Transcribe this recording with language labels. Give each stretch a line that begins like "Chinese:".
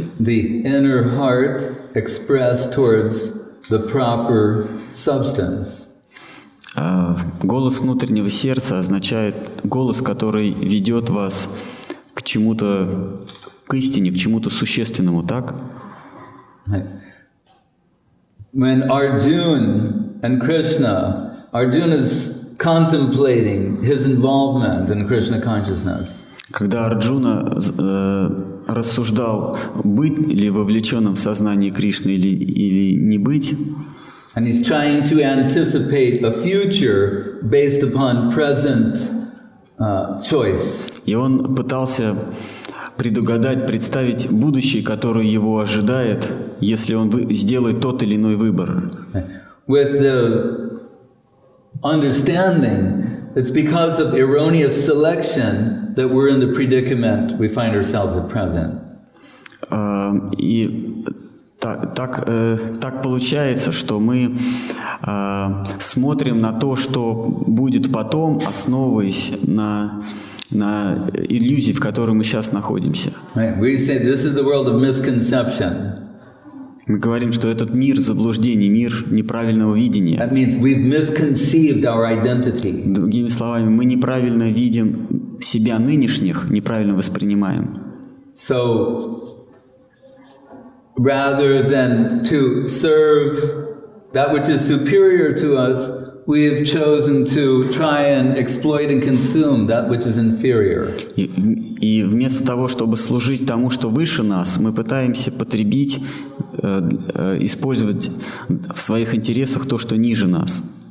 English: Means the inner heart expressed towards the proper substance.
Russian: Голос внутреннего сердца означает голос, который ведет вас к чему-то, к истине, к чему-то существенному, так?
English: When Arjuna and Krishna, Arjuna is contemplating his involvement in Krishna consciousness.
Russian: Когда Арджуна рассуждал, быть ли вовлеченным в сознание Кришны или не быть,
English: and he's trying to anticipate a future based upon present choice.
Russian: И он пытался предугадать, представить будущее, которое его ожидает, если он сделает тот или иной выбор.
English: With the understanding, it's because of erroneous selection that we're in the predicament we find ourselves at present.
Russian: И так получается, что мы смотрим на то, что будет потом, основываясь на иллюзии, в которой мы сейчас находимся.
English: Right. We say this is the world of misconception.
Russian: Мы говорим, что этот мир заблуждений, мир неправильного видения.
English: That means we've misconceived our identity.
Russian: Другими словами, мы неправильно видим себя нынешних, неправильно воспринимаем.
English: So, rather than to serve that which is superior to us, we have chosen to try and exploit and consume that which is inferior.
Russian: И вместо того, чтобы служить тому, что выше нас, мы пытаемся потребить, использовать в своих интересах то, что ниже нас.